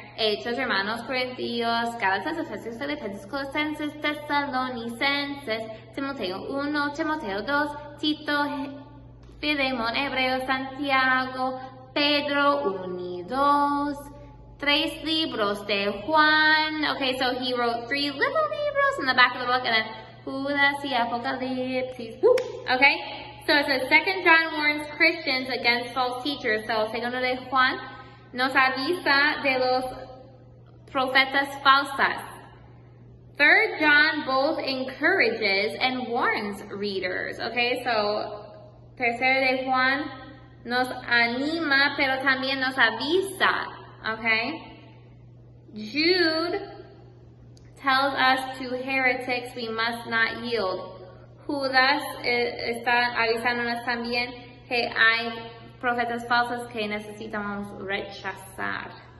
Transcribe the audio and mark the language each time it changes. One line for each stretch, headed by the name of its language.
Spanish: Hechos, hermanos Corintios, Gálatas, Efesios, Filipenses, Colosenses, Tesalonicenses, Timoteo 1, Timoteo 2, Tito, Filemón, Hebreos, Santiago, Pedro 1 y 2, tres libros de Juan.
English: Okay, so he wrote three little libros in the back of the book, and then Judas y Apocalipsis. Woo! Okay, so it says, Second John warns Christians against false teachers.
Spanish: So, Segundo de Juan nos avisa de los profetas falsas.
English: Third John both encourages and warns readers.
Spanish: Okay, so Tercero de Juan nos anima, pero también nos avisa.
English: Okay, Jude tells us to heretics we must not yield.
Spanish: Judas está avisándonos también que hay profetas falsos que necesitamos rechazar.